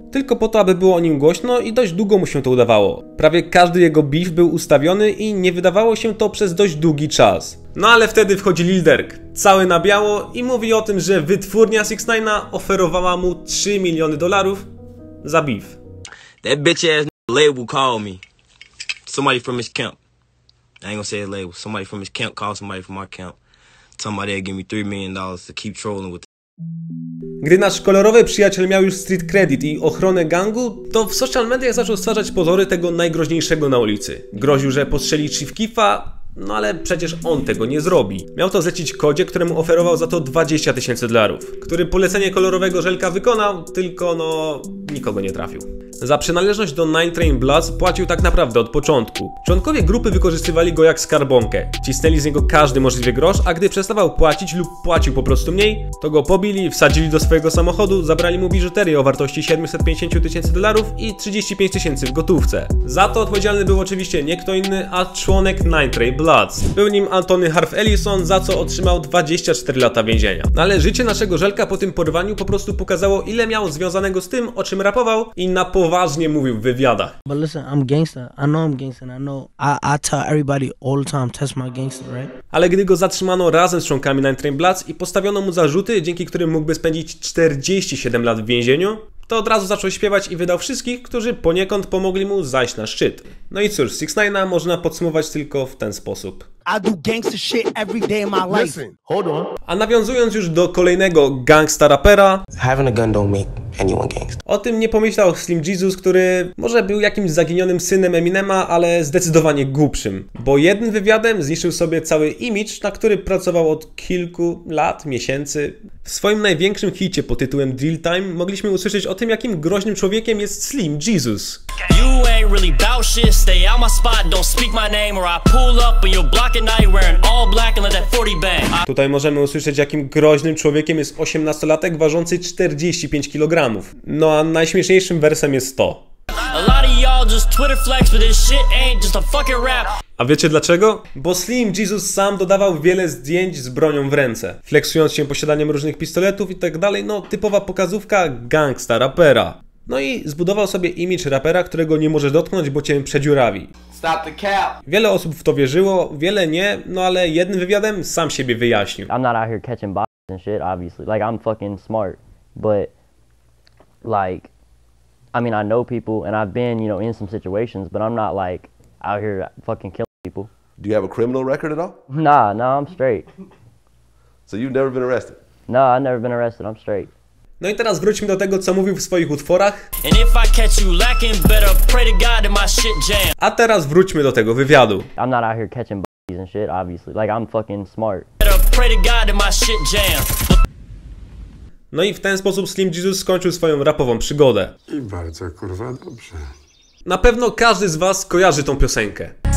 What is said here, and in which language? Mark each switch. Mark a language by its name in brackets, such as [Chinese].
[Polish] Tylko po to, aby było o nim głośno i dość długo mu się to udawało. Prawie każdy jego beef był ustawiony i nie wydawało się to przez dość długi czas. No ale wtedy wchodzi Lil Durk, cały na biało, i mówi o tym, że wytwórnia 6ix9ine'a oferowała mu 3 miliony dolarów za beef. [English] That bitch ass label called me. Somebody from his camp. I ain't gonna say his label. Somebody from his camp called somebody from my camp. Somebody gave me $3 million to keep trolling with. [Polish] Gdy nasz kolorowy przyjaciel miał już street credit i ochronę gangu, to w social mediach zaczął stwarzać pozory tego najgroźniejszego na ulicy. Groził, że postrzeli Chief Keefa, no ale przecież on tego nie zrobi. Miał to zlecić Kodzie, któremu oferował za to 20 tysięcy dolarów, który polecenie kolorowego żelka wykonał, tylko no, nikogo nie trafił. Za przynależność do Nine Train Bloods płacił tak naprawdę od początku. Członkowie grupy wykorzystywali go jak skarbonkę. Cisnęli z niego każdy możliwy grosz, a gdy przestawał płacić lub płacił po prostu mniej, to go pobili, wsadzili do swojego samochodu, zabrali mu biżuterię o wartości 750 tysięcy dolarów i 35 tysięcy w gotówce. Za to odpowiedzialny był oczywiście nie kto inny, a członek Nine Train Bloods. Był nim Anthony Harf Ellison, za co otrzymał 24 lata więzienia. No ale życie naszego żelka po tym porwaniu po prostu pokazało, ile miał związanego z tym, o czym rapował, i na poważnie mówił w wywiadach. [English] But listen, I'm gangster. I know I'm gangster. I know. I tell everybody all the time, test my gangster, right? [Polish] Ale gdy go zatrzymano razem z członkami Nine Train Bloods i postawiono mu zarzuty, dzięki którym mógłby spędzić 47 lat w więzieniu, to od razu zaczął śpiewać i wydał wszystkich, którzy poniekąd pomogli mu zajść na szczyt. No i cóż, 6ix9ine'a można podsumować tylko w ten sposób. [English] I do gangster shit every day in my life. Listen, hold on. [Polish] A nawiązując już do kolejnego gangsta rapera, [English] having a gun don't make anyone gangster. [Polish] O tym nie pomyślał Slim Jesus, który może był jakimś zaginionym synem Eminema, ale zdecydowanie głupszym. Bo jednym wywiadem zniszczył sobie cały image, na który pracował od kilku lat, miesięcy. W swoim największym hicie pod tytułem Drill Time mogliśmy usłyszeć o tym, jakim groźnym człowiekiem jest Slim Jesus. [English] You ain't really bout shit, stay out my spot, don't speak my name or I pull up and you'll block at night wearing all black and let that 40 bang. [Polish] Tutaj możemy usłyszeć, jakim groźnym człowiekiem jest 18-latek ważący 45 kg. No a najśmieszniejszym wersem jest to. [English] A lot of y'all just Twitter flex, but this shit ain't just a fucking rap. [Polish] A wiecie dlaczego? Bo Slim Jesus sam dodawał wiele zdjęć z bronią w ręce, fleksując się posiadaniem różnych pistoletów i tak dalej, no typowa pokazówka gangsta rapera. No i zbudował sobie image rapera, którego nie możesz dotknąć, bo cię przedziurawi. [English] Stop the cap. [Polish] Wiele osób w to wierzyło, wiele nie, no ale jednym wywiadem sam siebie wyjaśnił. [English] I'm not out here catching bodies and shit, obviously. Like, I'm fucking smart, but like, I mean, I know people and I've been, you know, in some situations, but I'm not like out here fucking killing people. Do you have a criminal record at all? Nah, I'm straight. So you've never been arrested? Nah, I've never been arrested, I'm straight. [Polish] No i teraz wróćmy do tego, co mówił w swoich utworach. [English] And if I catch you lacking, better pray to God that my shit jam. [Polish] A teraz wróćmy do tego wywiadu. [English] I'm not out here catching bodies and shit, obviously. Like, I'm fucking smart. [Polish] No i w ten sposób Slim Jesus skończył swoją rapową przygodę. I bardzo kurwa dobrze. Na pewno każdy z was kojarzy tą piosenkę.